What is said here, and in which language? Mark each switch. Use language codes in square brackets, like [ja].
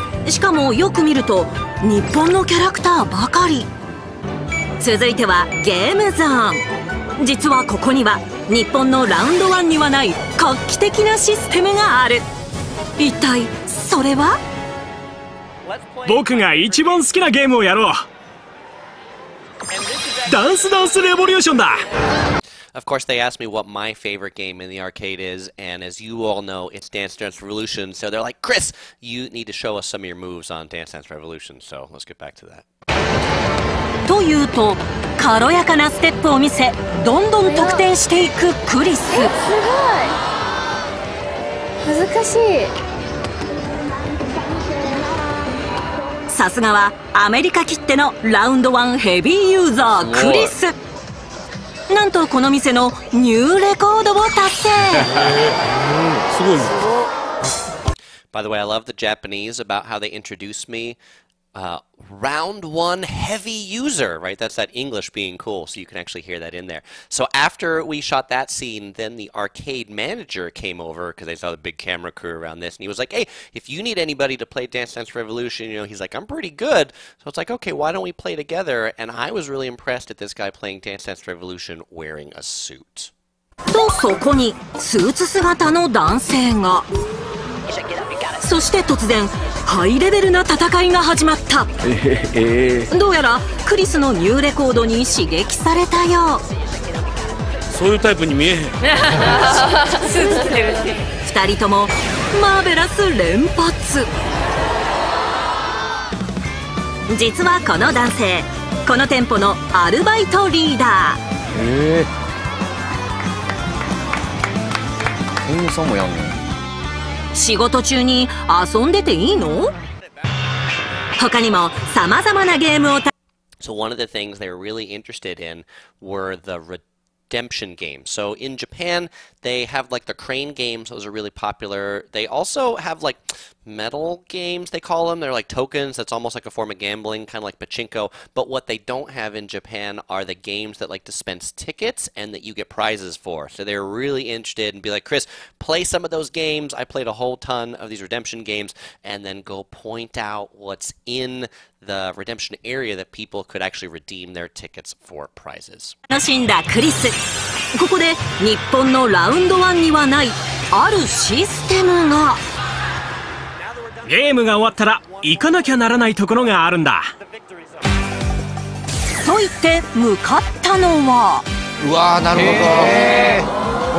[ja] しかもよく見ると日本のキャラクターばかり。続いてはゲームゾーン。実はここには日本のラウンドワンにはない画期的なシステムがある。一体それは？僕が一番好きなゲームをやろう。ダンスダンスレボリューションだ。 [en] Of course, they asked me what my favorite game in the arcade is, and as you all know, it's Dance Dance Revolution. So they're like, Chris, you need to show us some of your moves on Dance Dance Revolution. So let's get back to that. [ja] というと、軽やかなステップを見せ、どんどん得点していくクリス。すごい。難しい。さすがはアメリカきってのラウンドワンヘビーユーザークリス。なんとこの店のニューレコードを達成。すごい。 [en] By the way, I love the Japanese about how they introduce me. Round one heavy user, right? That's that English being cool, so you can actually hear that in there. So after we shot that scene, then the arcade manager came over because they saw the big camera crew around this, and he was like, hey, if you need anybody to play Dance Dance Revolution, you know, he's like, I'm pretty good. So it's like, okay, why don't we play together? And I was really impressed at this guy playing Dance Dance Revolution wearing a suit. [ja] とそこにスーツ姿の男性が。そして突然ハイレベルな戦いが始まった、どうやらクリスのニューレコードに刺激されたよう。そういうタイプに見えへん。 2人ともマーベラス連発。実はこの男性、この店舗のアルバイトリーダー。 こんなさもやんの。仕事中に遊んでていいの？他にも様々なゲームを。 [en] So one of the things they were really interested in were the redemption games. So in Japan, they have like the crane games. Those are really popular. They also have like metal games, they call them. They're like tokens. That's almost like a form of gambling, kind of like pachinko. But what they don't have in Japan are the games that like dispense tickets and that you get prizes for. So they're really interested and be like, Chris, play some of those games. I played a whole ton of these redemption games, and then go point out what's in the redemption area that people could actually redeem their tickets for prizes. [ja] 楽しんだクリス。ここで日本のラウンドワンにはないあるシステムが。ゲームが終わったら行かなきゃならないところがあるんだと言って向かったのは。うわー、なるほど、